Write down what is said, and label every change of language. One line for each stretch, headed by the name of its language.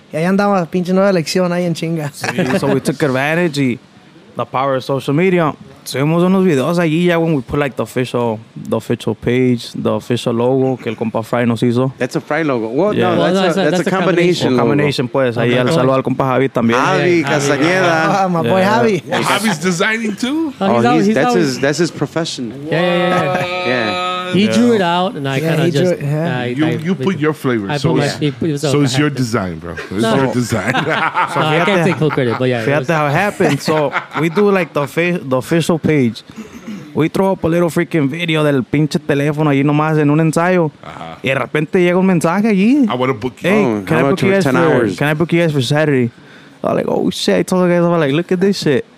Spanish: Y ahí andaba la pinche Nueva Lexion ahí en chinga.
English: So we took advantage y the power of social media.
Spanish: Subimos unos videos allí ya
English: when we put like the official page, the official logo
Spanish: que el compa Fry nos hizo.
English: That's a Fry logo. Well, yeah. that's a combination logo.
Spanish: Pues. Ahí al saludo al compa Javi también. Javi Castañeda.
English: My boy Javi. Well, Javi's designing too? That's his profession. Yeah. He drew it out, and I put your flavor. So it's your design, bro. Your design. I can't take full credit, but yeah.
Spanish: Fíjate
English: how it happened. So we do like the official page. We throw up a little freaking video
Spanish: del pinche teléfono allí nomás en un ensayo. Uh-huh. Y de repente llega un mensaje allí.
English: I want to book you. Hey, can I book you guys for Saturday? I'm like, oh, shit. I told the guys, I'm like, look at this shit.